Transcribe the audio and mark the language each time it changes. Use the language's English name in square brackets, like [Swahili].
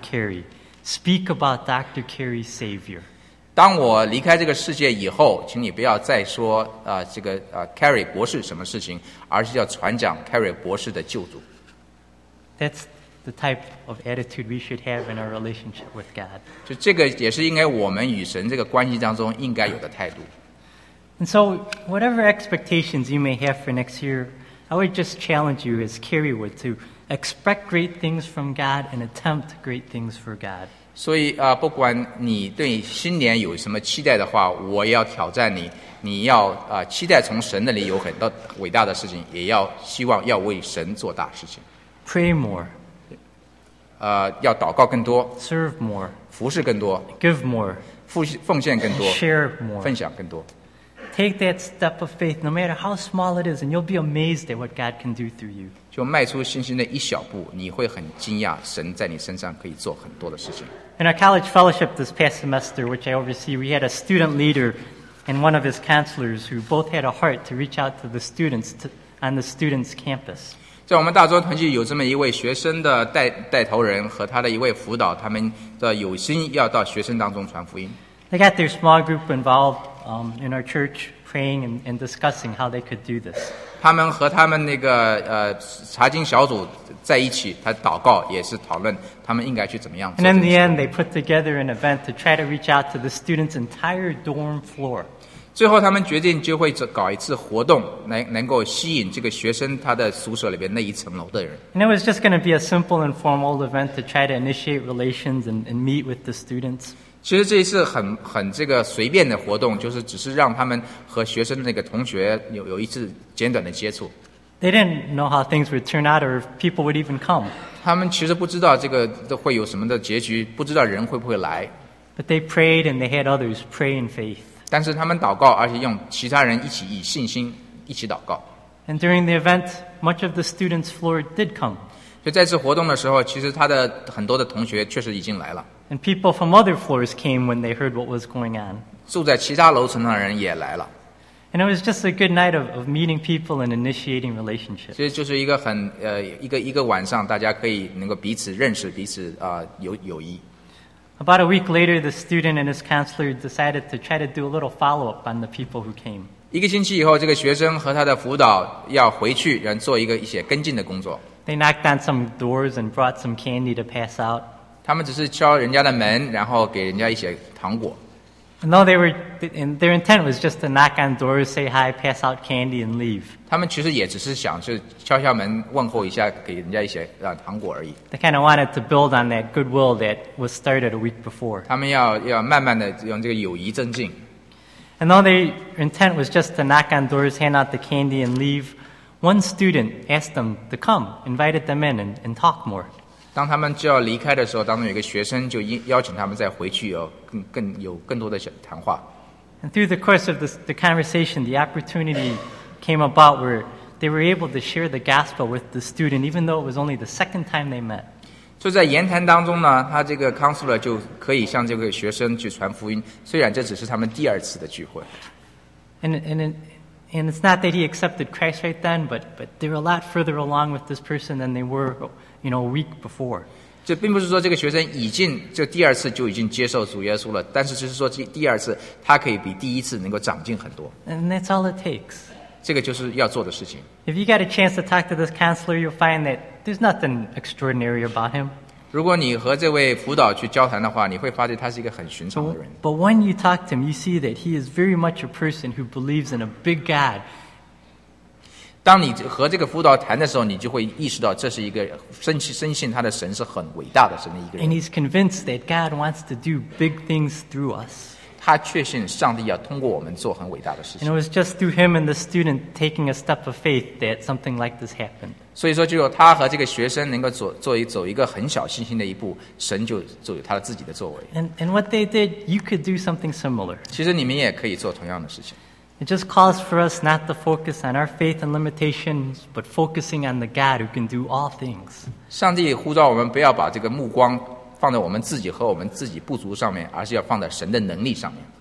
[English] Carrie. Speak about Dr. Carrie's Savior. [Chinese] 当我离开这个世界以后，请你不要再说这个Carrie 博士什么事情，而是要传讲 Carrie 博士的救主。 [English] That's the type of attitude we should have in our relationship with God. [Chinese] 就这个也是应该我们与神这个关系当中应该有的态度。 [English] And so, whatever expectations you may have for next year, I would just challenge you as Carrie would to expect great things from God and attempt great things for God. [Chinese] 所以不管你对新年有什么期待的话，我要挑战你，你要期待从神那里有很多伟大的事情，也要希望要为神做大事情。 [English] Pray more. [Chinese] 要祷告更多。 [English] Serve more. [Chinese] 服侍更多。 [English] Give more. [Chinese] 奉献更多。 [English] Share more. [Chinese] 分享更多。 [English] Take that step of faith, no matter how small it is, and you'll be amazed at what God can do through you. [Chinese] 就迈出信心的一小步，你会很惊讶，神在你身上可以做很多的事情。 [English] In our college fellowship this past semester, which I oversee, we had a student leader and one of his counselors who both had a heart to reach out to the students on the student's campus. [Chinese] 在我们大专团契有这么一位学生的带头人和他的一位辅导，他们的有心要到学生当中传福音。 [English] They got their small group involved in our church, praying and discussing how they could do this. [Chinese] 他们和他们那个查经小组在一起，他祷告也是讨论他们应该去怎么样。 [English] And in the end, they put together an event to try to reach out to the students' entire dorm floor. [Chinese] 最后，他们决定就会搞一次活动，能够吸引这个学生他的宿舍里边那一层楼的人。 [English] And it was just going to be a simple and formal event to try to initiate relations and meet with the students. [Chinese] 其实这一次很这个随便的活动，就是只是让他们和学生的那个同学有一次简短的接触。 [English] They didn't know how things would turn out, or if people would even come. [Chinese] 他们其实不知道这个会有什么的结局，不知道人会不会来。 [English] But they prayed, and they had others pray in faith. [Chinese] 但是他们祷告，而且用其他人一起以信心一起祷告。 [English] And during the event, much of the students' floor did come. [Chinese] 就在这活动的时候，其实他的很多的同学确实已经来了。 [English] And people from other floors came when they heard what was going on. [Chinese] 住在其他楼层的人也来了。 [English] And it was just a good night of meeting people and initiating relationships. [Chinese] 所以就是一个很一个晚上，大家可以能够彼此认识彼此友谊。 [English] About a week later, the student and his counselor decided to try to do a little follow-up on the people who came. [Chinese] 一个星期以后，这个学生和他的辅导要回去，然后做一些跟进的工作。 [English] They knocked on some doors and brought some candy to pass out. [Chinese] 他们只是敲人家的门，然后给人家一些糖果。 [English] No, they were. Their intent was just to knock on doors, say hi, pass out candy, and leave. [Chinese] 他们其实也只是想是敲敲门问候一下，给人家一些糖果而已。 [English] They kind of wanted to build on that goodwill that was started a week before. [Chinese] 他们要慢慢的用这个友谊增进。 [English] And though their intent was just to knock on doors, hand out the candy, and leave, one student asked them to come, invited them in, and talk more. [Chinese] 当他们就要离开的时候，当中有一个学生就邀请他们再回去，有更多的谈话。 [English] And through the course of the conversation, the opportunity came about where they were able to share the gospel with the student, even though it was only the second time they met. [Chinese] 就在言谈当中呢，他这个 counselor 就可以向这个学生去传福音，虽然这只是他们第二次的聚会。 [English] And it's not that he accepted Christ right then, but they were a lot further along with this person than they were, you know, a week before. [Chinese] 这并不是说这个学生已经这第二次就已经接受主耶稣了，但是就是说第二次他可以比第一次能够长进很多。 [English] And that's all it takes. [Chinese] 这个就是要做的事情。 [English] If you get a chance to talk to this counselor, you'll find that there's nothing extraordinary about him. [Chinese] 如果你和这位辅导去交谈的话，你会发觉他是一个很寻常的人。 [English] But when you talk to him, you see that he is very much a person who believes in a big God. [Chinese] 当你和这个辅导谈的时候，你就会意识到这是一个深信他的神是很伟大的神的一个人。 [English] And he's convinced that God wants to do big things through us. [Chinese] 他确信上帝要通过我们做很伟大的事情。 [English] And it was just through him and the student taking a step of faith that something like this happened. [Chinese] 所以说，就有他和这个学生能够走一个很小信心的一步，神就做有他自己的作为。 [English] And what they did, you could do something similar. [Chinese] 其实你们也可以做同样的事情。 [English] It just calls for us not to focus on our faith and limitations, but focusing on the God who can do all things. [Chinese] 上帝呼召我们不要把这个目光放在我们自己和我们自己不足上面，而是要放在神的能力上面。